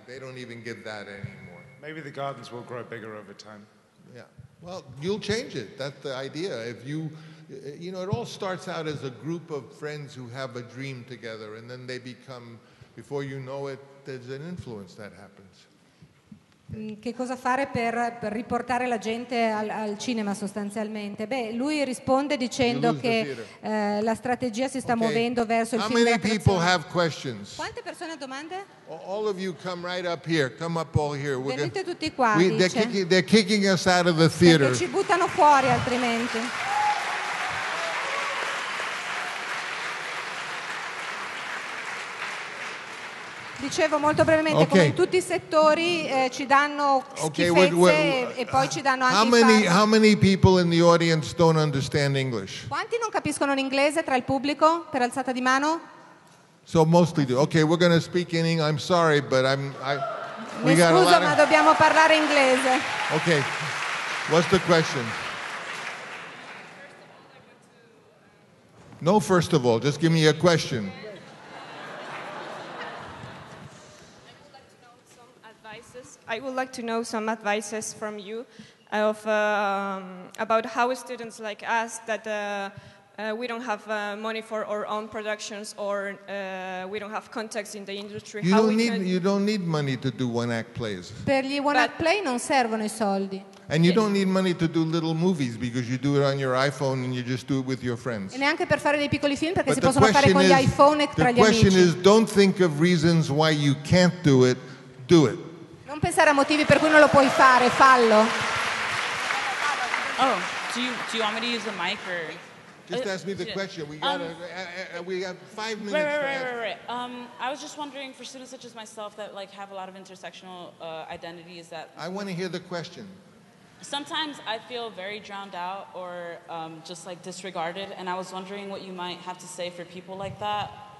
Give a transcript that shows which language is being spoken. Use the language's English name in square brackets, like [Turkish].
[English] They don't even give that anymore. Maybe the gardens will grow bigger over time. Yeah. Well, you'll change it. That's the idea. If you it all starts out as a group of friends who have a dream together, and then they become, before you know it, there's an influence that happens. [Italian] Che cosa fare per riportare la gente al cinema sostanzialmente? Beh, lui risponde dicendo che la strategia si sta muovendo verso il film. [English] How many people have questions? [Italian] Quante persone hanno domande? [English] All of you come right up here. Come up all here. [Italian] Venite tutti qua. [English] They're kicking us out of the theater. [Italian] Ci buttano fuori altrimenti. Dicevo molto brevemente, come in tutti i settori ci danno schifezze e poi ci danno anche [English] how many people in the audience don't understand English? [Italian] Quanti non capiscono l'inglese tra il pubblico per alzata di mano? [English] So mostly do. Okay, we're going to speak in English. I'm sorry, but [Italian] ma dobbiamo parlare inglese. [English] Okay. What's the question? No, first of all, just give me a question. I would like to know some advices from you of about how students like us that we don't have money for our own productions or we don't have contacts in the industry. You don't need money to do one-act plays. [Italian] Per gli one-act play non servono I soldi. [English] And you don't need money to do little movies because you do it on your iPhone and you just do it with your friends. [Italian] E neanche per fare dei piccoli film perché si possono fare con gli iPhone e tra gli amici. [English] The question is, don't think of reasons why you can't do it, do it. [Italian] Non pensare a motivi per cui non lo puoi fare, fallo. [English] Oh, do you want me to use the mic or? Just ask me the question. We have 5 minutes. Right. I was just wondering for students such as myself that like have a lot of intersectional identities that. I want to hear the question. Sometimes I feel very drowned out or just like disregarded, and I was wondering what you might have to say for people like that.